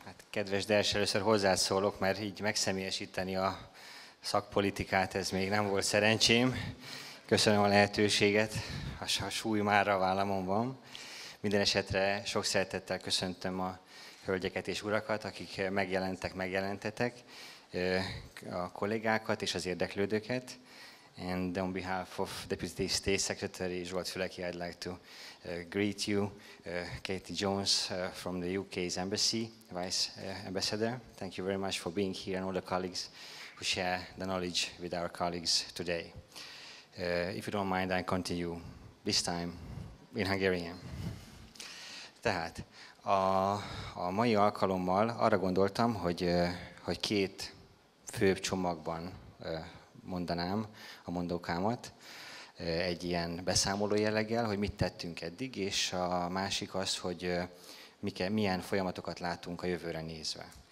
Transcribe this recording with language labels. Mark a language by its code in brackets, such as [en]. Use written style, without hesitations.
[hu] Kedves Ders, először hozzászólok, mert így megszemélyesíteni a szakpolitikát, ez még nem volt szerencsém. Köszönöm a lehetőséget, a súly már a vállamon van. Minden esetre sok szeretettel köszöntöm a hölgyeket és urakat, akik megjelentetek, a kollégákat és az érdeklődőket. [en] And on behalf of Deputy State Secretary Zsolt Füleki, I'd like to greet you, Katie Jones from the UK's Embassy, Vice Ambassador. Thank you very much for being here and all the colleagues who share the knowledge with our colleagues today. If you don't mind, I continue, this time in Hungarian. [hu] Tehát a mai alkalommal arra gondoltam, hogy két főbb csomagban mondanám a mondókámat egy ilyen beszámoló jelleggel, hogy mit tettünk eddig, és a másik az, hogy milyen folyamatokat látunk a jövőre nézve.